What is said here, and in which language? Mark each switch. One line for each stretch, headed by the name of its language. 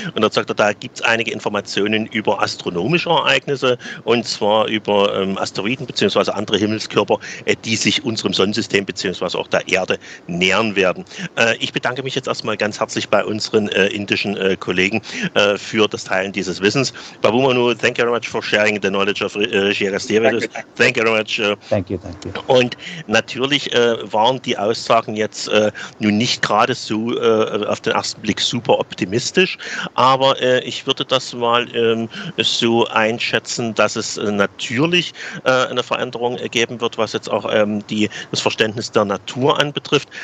German: Und dort sagt er, da gibt es einige Informationen über astronomische Ereignisse, und zwar über Asteroiden bzw. andere Himmelskörper, die sich unserem Sonnensystem bzw. auch der Erde nähern werden. Ich bedanke mich jetzt erstmal ganz herzlich bei unseren indischen Kollegen für das Teilen dieses Wissens.
English: Babumanu, thank you very much for sharing the knowledge of Gerasteridus. Thank you very much. Thank you, thank you.
German: Und natürlich waren die Aussagen jetzt nun nicht gerade so auf den ersten Blick super optimistisch, aber ich würde das mal so einschätzen, dass es natürlich eine Veränderung geben wird, was jetzt auch das Verständnis der Natur anbetrifft.